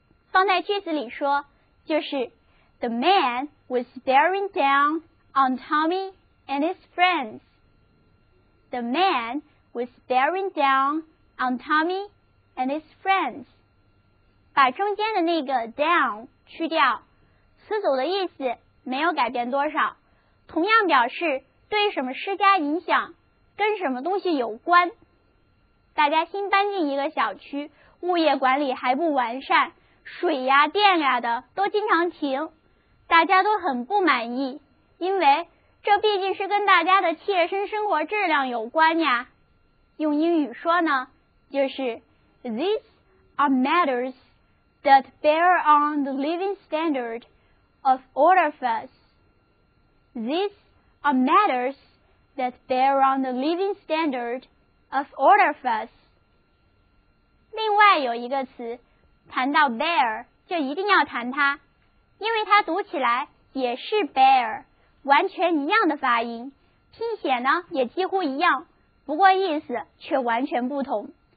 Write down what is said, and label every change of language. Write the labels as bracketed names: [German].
[Chinese] 放在句子里说就是 [English] The man was bearing down on Tommy and his friends. The man was bearing down on Tommy and his friends. [Chinese] 把中间的那个 down 去掉，词组的意思没有改变多少，同样表示对什么施加影响，跟什么东西有关。大家新搬进一个小区，物业管理还不完善，水呀电呀的都经常停，大家都很不满意，因为这毕竟是跟大家的切身生活质量有关呀。用英语说呢，就是 [English] These are matters that bear on the living standard of all of us. These are matters that bear on the living standard of all of us. [Chinese] 另外有一个词，谈到 bear 就一定要谈它，因为它读起来也是 bear， 完全一样的发音，拼写呢也几乎一样，不过意思却完全不同。